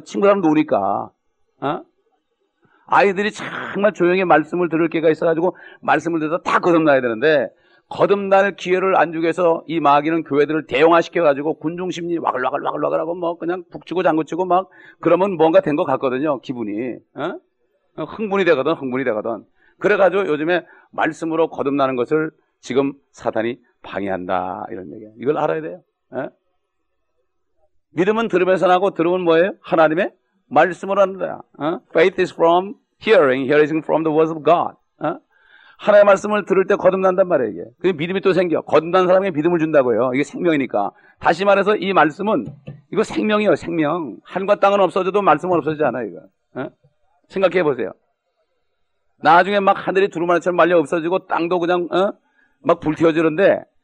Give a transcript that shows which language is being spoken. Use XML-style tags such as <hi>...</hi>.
<ko>친구랑 노니까. 아이들이 정말 조용히 말씀을 들을 기회가 있어가지고 말씀을 듣다 다 거듭나야 되는데 거듭날 기회를 안 주기 위해서 이 마귀는 교회들을 대용화시켜가지고 군중심리 와글와글하고 뭐 그냥 북치고 장구치고 막 그러면 뭔가 된 것 같거든요. 기분이. 흥분이 되거든. 그래가지고 요즘에 말씀으로 거듭나는 것을 지금 사단이 방해한다. 이런 얘기예요. 이걸 알아야 돼요. 믿음은 들으면서 나고 들으면 뭐예요? 하나님의 말씀으로 한다.</ko> <en>Faith is from hearing, hearing is from the words of God.</en> <ko>하나의 말씀을 들을 때 거듭난단 말이에요, 이게. 그 믿음이 또 생겨. 거듭난 사람에게 믿음을 준다고요. 이게 생명이니까. 다시 말해서 이 말씀은, 이거 생명이요, 생명. 하늘과 땅은 없어져도 말씀은 없어지지 않아요, 이거. 생각해 보세요. 나중에 막 하늘이 두루마리처럼 말려 없어지고 땅도 그냥, 막 불태워지는데,</ko>